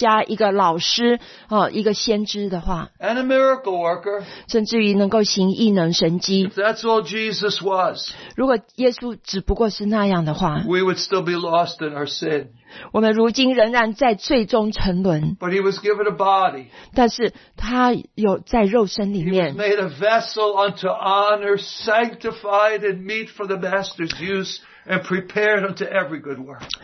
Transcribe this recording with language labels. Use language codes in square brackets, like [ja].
[zh] 如果耶稣只是一个很好的哲学家、一个老师、一个先知的话, [en] and a miracle worker, [zh] 甚至于能够行异能神迹, [en] if that's all Jesus was, [zh] 如果耶稣只不过是那样的话, [en] we would still be lost in our sin. [zh] 我们如今仍然在罪中沉沦, [en] but he was given a body, [zh] 但是他有在肉身里面, [en] he was made a vessel unto honor, sanctified and meet for the master's use, and prepared unto every good work.